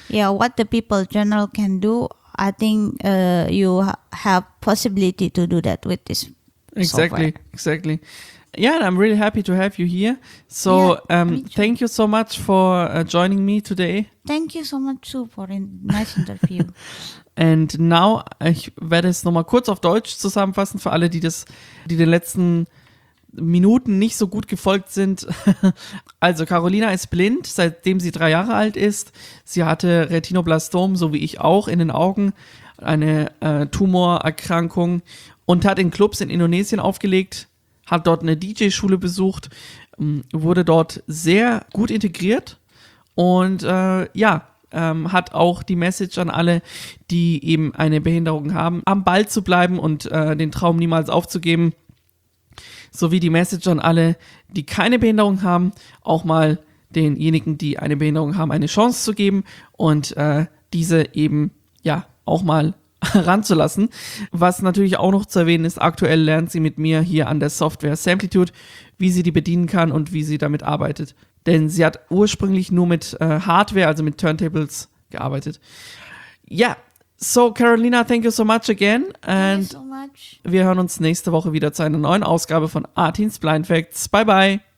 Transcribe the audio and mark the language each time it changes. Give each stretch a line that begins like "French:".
English: Yeah, what the people general can do, I think you have possibility to do that with this exactly software. Exactly. Yeah, and I'm really happy to have you here. So thank you so much for joining me today. Thank you so much too for a nice interview. And now
German: ich werde es nochmal kurz auf Deutsch zusammenfassen für alle, die den letzten Minuten nicht so gut gefolgt sind. Also Carolina ist blind, seitdem sie 3 Jahre alt ist. Sie hatte Retinoblastom, so wie ich auch, in den Augen, eine Tumorerkrankung, und hat in Clubs in Indonesien aufgelegt, hat dort eine DJ-Schule besucht, wurde dort sehr gut integriert und hat auch die Message an alle, die eben eine Behinderung haben, am Ball zu bleiben und den Traum niemals aufzugeben. Sowie die Message an alle, die keine Behinderung haben, auch mal denjenigen, die eine Behinderung haben, eine Chance zu geben und diese eben ja auch mal ranzulassen. Was natürlich auch noch zu erwähnen ist, aktuell lernt sie mit mir hier an der Software Samplitude, wie sie die bedienen kann und wie sie damit arbeitet. Denn sie hat ursprünglich nur mit Hardware, also mit Turntables, gearbeitet. Ja,
English: so Carolina, thank you so much again. Thank you so much.
German: Wir hören uns nächste Woche wieder zu einer neuen Ausgabe von Artins Blind Facts. Bye bye.